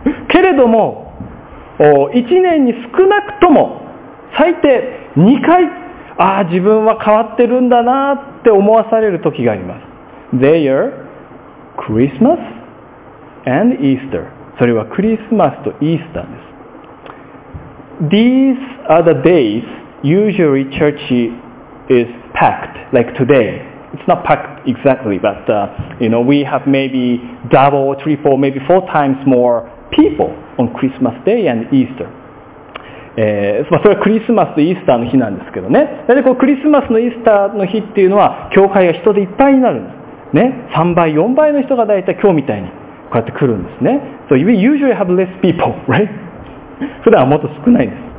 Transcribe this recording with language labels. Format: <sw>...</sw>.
<ja>けれども1年に少なくとも最低2回、ああ自分は変わってるんだなって思わされる時があります。</ja> <en>They are Christmas and Easter.</en> <ja>それはクリスマスとイースターです。</ja> <en>These are the days usually church is packed, like todayIt's not packed exactly, but we have maybe double or triple, maybe four times more people on Christmas Day and Easter.</en> <ja>それはクリスマスとイースターの日なんですけどね。だってこうクリスマスのイースターの日っていうのは教会が人でいっぱいになるんです。ね、3倍、4倍の人がだいたい今日みたいにこうやって来るんですね。</ja> <en>So we usually have less people, right?</en> <ja>普段はもっと少ないです。</ja>